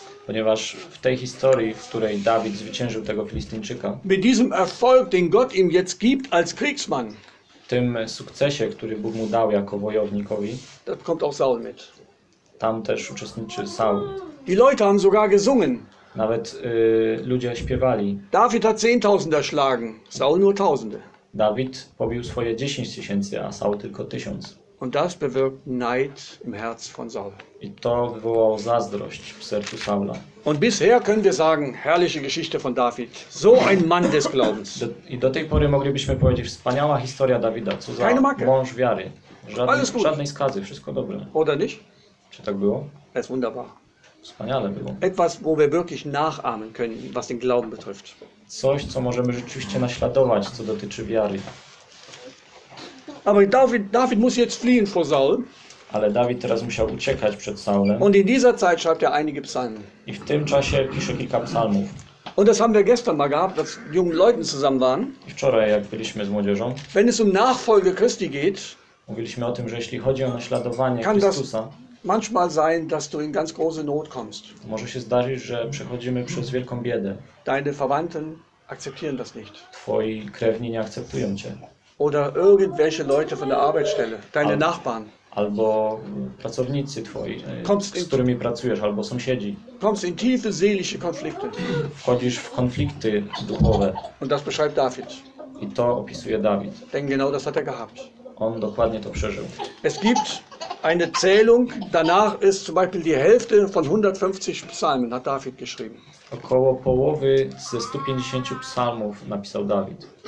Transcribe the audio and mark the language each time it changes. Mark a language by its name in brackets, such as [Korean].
[Polish] Ponieważ w tej historii, w której David zwyciężył tego Filistyńczyka. [German] Mit diesem Erfolg, den Gott ihm jetzt gibt als Kriegsmann. [Polish] Tym sukcesie, który Bóg mu dał jako wojownikowi. [German] Da kommt auch Saul mit. [Polish] Tam też uczestniczy Saul. [German] Die Leute haben sogar gesungen. [Polish] Nawet ludzie śpiewali. [German] David hat zehntausende erschlagen, Saul nur tausende. [Polish] David pobił swoje 10 tysięcy, a Saul tylko 1000. [German] Und das bewirkt Neid im Herz von Saul. [Polish] I to wywołało zazdrość w sercu Saula. [German] Und bisher können wir sagen, herrliche Geschichte von David. So ein Mann des Glaubens. [Polish] I do tej pory moglibyśmy powiedzieć, wspaniała historia Dawida. Co za mąż wiary. Żadnej skazy, wszystko dobre. [German] Oder nicht? [Polish] Czy tak było? [German] Es wunderbar. [Polish] Wspaniale było. [German] Etwas, wo wir wirklich nachahmen können, was den Glauben betrifft. [Polish] Coś, co możemy rzeczywiście naśladować, co dotyczy wiary. [German] Aber David muss jetzt fliehen vor Saul. [Polish] Ale David teraz musiał uciekać przed Saulem. [German] Und in dieser Zeit schreibt er einige Psalmen. [Polish] I w tym czasie pisze kilka psalmów. [German] Und das haben wir gestern mal gehabt, als wir mit jungen Leuten zusammen waren. [Polish] I wczoraj, jak byliśmy z młodzieżą. [German] Wenn es um Nachfolge Christi geht, [Polish] mówiliśmy o tym, że jeśli chodzi o naśladowanie Chrystusa. [German] Manchmal sein, dass du in ganz große Not kommst. [Polish] Może się zdarzyć, że przechodzimy przez wielką biedę. [German] Deine Verwandten akzeptieren das nicht. [Polish] Twoi krewni nie akceptują cię. [German] Oder irgendwelche Leute von der Arbeitsstelle, deine Nachbarn. [Polish] Albo pracownicy twoi, z którymi pracujesz, albo sąsiedzi. [German] Kommst in tiefe seelische Konflikte. [Polish] Wchodzisz w konflikty duchowe. [German] Und das beschreibt David. [Polish] I to opisuje Dawid. [German] Denn genau das hat er gehabt. [Polish] On dokładnie to przeżył. [German] Es gibt eine Zählung, danach ist zum Beispiel die Hälfte von 150 Psalmen, hat David geschrieben. [Polish] Około połowy ze 150 psalmów napisał Dawid.